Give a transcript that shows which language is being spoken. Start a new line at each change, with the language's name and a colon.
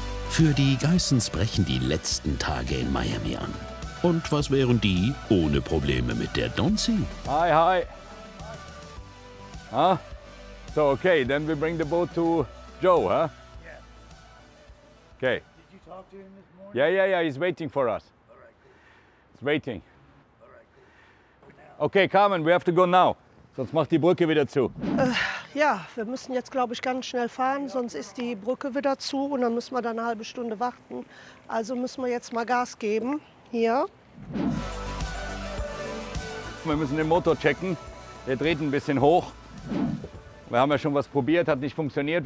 German: Für die Geissens brechen die letzten Tage in Miami an. Und was wären die ohne Probleme mit der Donzi?
English: Hi, hi. Huh? So, okay, then we bring the boat to Joe, huh? Yeah. Okay. Did you talk to him this morning? Yeah, he's waiting for us. All right, cool. He's waiting. All right, cool. Okay, Carmen, we have to go now.
German: Sonst macht die Brücke wieder zu. Ja, wir müssen jetzt, glaube ich, ganz schnell fahren, sonst ist die Brücke wieder zu und dann müssen wir da eine halbe Stunde warten. Also müssen wir jetzt mal Gas geben, hier. Wir müssen den Motor checken, der dreht ein bisschen hoch. Wir haben ja schon was probiert, hat nicht funktioniert.